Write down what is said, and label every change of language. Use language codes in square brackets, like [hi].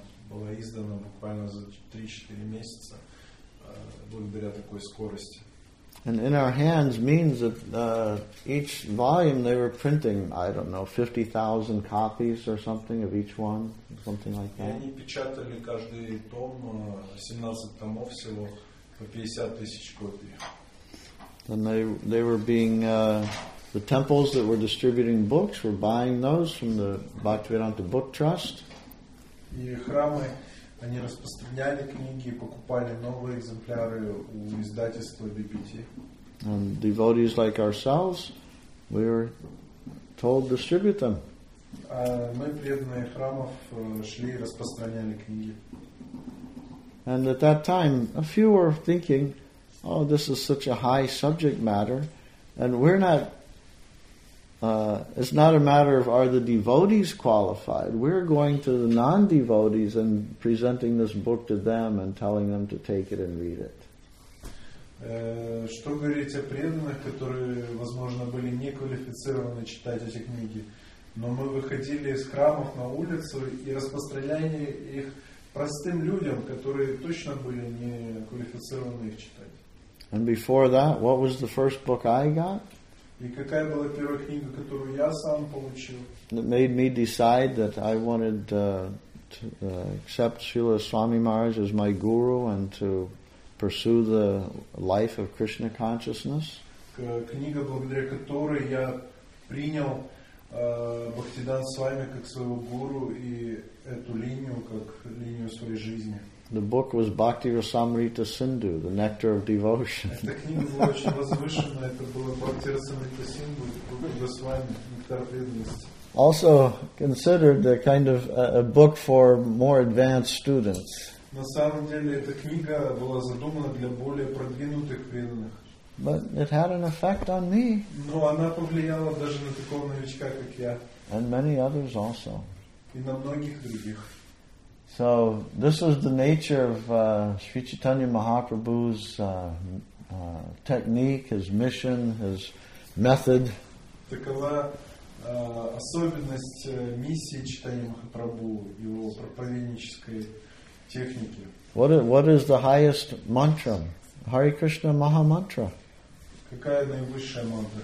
[ru] Была издана буквально за 3-4 месяца благодаря такой скорости. [en] And in our hands means that each volume they were printing, I don't know, 50,000 copies or something of each one, something like that. [ru] И они печатали каждый том, 17 томов всего, по 50 тысяч копий. [en] And they were being, the temples that were distributing books were buying those from the Bhaktivedanta Book Trust. [ru] И храмы, они распространяли книги, покупали новые экземпляры у издательства BPT. [en] And devotees like ourselves, we were told to distribute them. [ru] А мы, преданные храмов, шли и распространяли книги. [en] And at that time, a few were thinking, oh, this is such a high subject matter, and we're not It's not a matter of are the devotees qualified. We're going to the non-devotees and presenting this book to them and telling them to take it and read it. [ru] Что говорить о преданных, которые, возможно, были неквалифицированы читать эти книги, но мы выходили из храмов на улицу и распространяли их простым людям, которые точно были неквалифицированы их читать. [en] And before that, what was the first book I got? [ru] И какая была первая книга, которую я сам получил? [en] That made me decide that I wanted to accept Srila Swami Maharaj as my guru and to pursue the life of Krishna consciousness. [ru] Книга, благодаря которой я принял Бхактиданта Свами как своего гуру и эту линию как линию своей жизни. [en] The book was Bhakti Rasamrita Sindhu, The Nectar of Devotion. [ru] Эта книга была очень возвышенная. Это было Бхакти Расамрита Синдху, Бхакти Расвами, Нектар преданности. [en] Also considered a kind of a book for more advanced students. [ru] На самом деле эта книга была задумана для более продвинутых преданных. [en] But it had an effect on me. [ru] Но она повлияла даже на такого новичка, как я. [en] And many others also. [ru] И на многих других. [en] So this was the nature of Sri Chaitanya Mahaprabhu's technique, his mission, his method. [ru] Такова особенность миссии Чайтанья Махапрабху, его проповеднической техники. [en] What is the highest mantra? Hare Krishna Maha Mantra. [ru] Какая наивысшая мантра?